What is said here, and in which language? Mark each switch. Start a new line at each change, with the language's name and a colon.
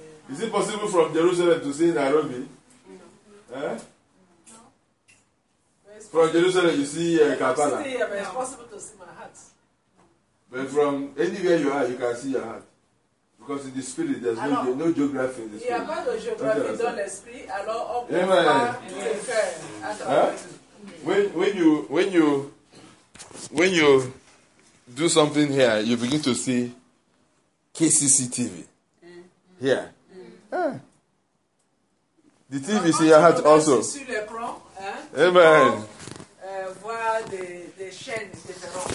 English: Is it possible from Jerusalem to see Nairobi? No. From Jerusalem, you see Kampala. Yeah, it's possible to see my heart. But from anywhere you are, you can see your heart. Because in the spirit, there's no geography in the spirit.
French: Il n'y a pas de géographie dans l'esprit, alors on peut pas le faire.
English: When you do something here, you begin to see KCC TV. Here. The TV is in your heart also. Amen.
French: Voir des chaînes, etc.